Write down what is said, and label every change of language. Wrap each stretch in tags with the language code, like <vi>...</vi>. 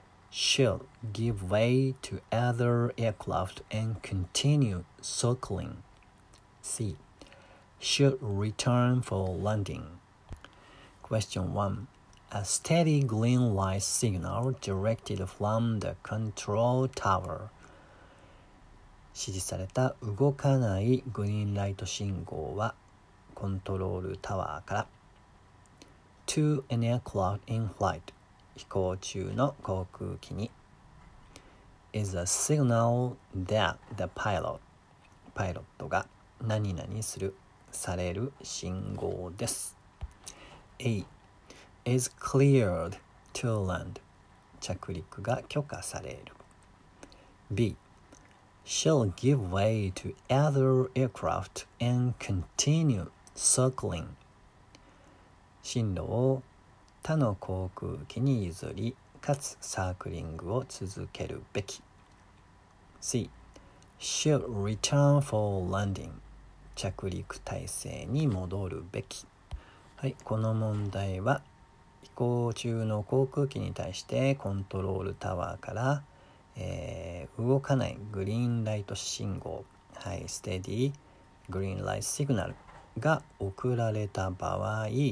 <en>Should give way to other aircraft and continue circling. C. Should return for landing. Question 1. A steady green light signal directed from the control tower.</en> <ja>指示された動かないグリーンライト信号はコントロールタワーから。</ja> <en>To an aircraft in flight.</en> <ja>飛行中の航空機に。</ja> <en>Is a signal that the pilot.</en> <ja>パイロットが何々する、される信号です。</ja> <en>A. Is cleared to land.</en> <ja>着陸が許可される。B.</ja> <en>Shall give way to other aircraft and continue circling.</en> <ja>進路を他の航空機に譲り、かつサークリングを続けるべき。</ja> <en>C. Shall return for landing.</en> <ja>着陸態勢に戻るべき。はい、この問題は飛行中の航空機に対してコントロールタワーから、動かないグリーンライト信号、はい、ステディグリーンライトシグナルが送られた場合、</ja>